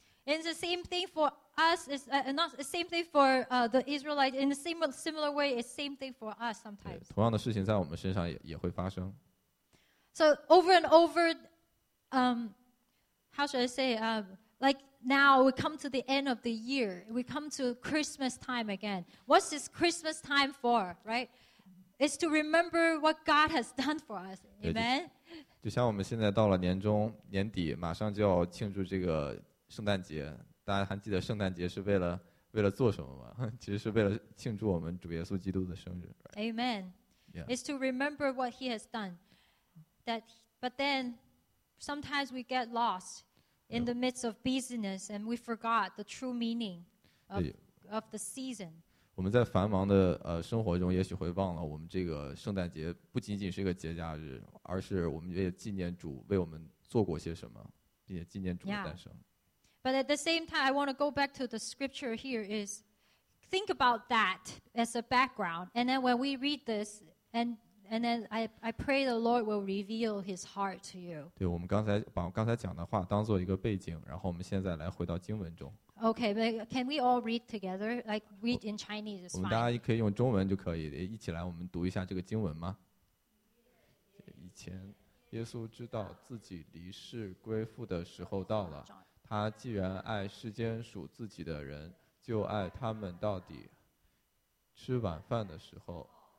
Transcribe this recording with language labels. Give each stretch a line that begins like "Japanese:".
English: And the same thing for us is not the same thing for the Israelites. In the similar way, it's same thing for us sometimes.
Chinese: 同样的事情在我们身上也会发生。
English: So over and over, how should I say? Like now we come to the end of the year. We come to Christmas time again. What's this Christmas time for? Right? It's to remember what God has done for us. Amen.
Chinese: 就像我们现在到了年终年底，马上就要庆祝这个。圣诞节，大家还记得圣诞节是为了做什么吗？其实是为了庆祝我们主耶稣基督的生日。
English: Right? Amen.、 Yeah. It's to remember what He has done. That, but then sometimes we get lost in the midst of busyness and we forgot the true meaning of the season.
Chinese: 我们在繁忙的生活中，也许会忘了我们这个圣诞节不仅仅是一个节假日，而是我们为了纪念主为我们做过些什么，并且纪念主的诞生。
English: Yeah. But at the same time, I want to go back to the scripture here is think about that as a background. And then when we read this, and then I pray the Lord will reveal his heart to you.
Chinese: 对，我们刚才把刚才讲的话当做一个背景，然后我们现在来回到经文中。
English: Okay, but can we all read together? Like read in Chinese is fine.
Chinese: 我们大家可以用中文就可以，一起来我们读一下这个经文吗？以前耶稣知道自己离世归父的时候到了。他既然爱世间属自己的人，就爱他们到底。吃晚饭的时候，